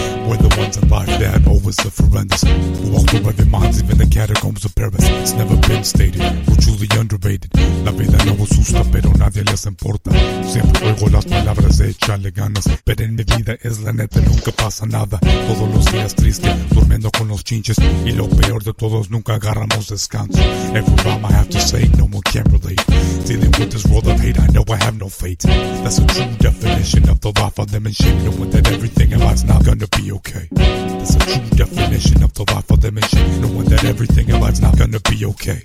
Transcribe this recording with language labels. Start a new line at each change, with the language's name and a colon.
English: We're the ones alive that always live horrendous. We walk through every mind, even the catacombs of Paris. It's never been stated, we're truly underrated.
Spanish: La vida no asusta, pero nadie les importa. Siempre oigo las palabras de echarle ganas. Pero en mi vida es la neta, nunca pasa nada. Todos los días triste, durmiendo con los chinches. Y lo peor de todos, nunca agarramos descanso.
English: Every rhyme I have to say, no more can't relate. Dealing with this world of hate, I know I have no fate. That's a true definition of the life of them in shame. Knowing that everything in life's not gonna be okay. That's a true definition of the life of them in shame. Knowing that everything in life's not gonna be okay.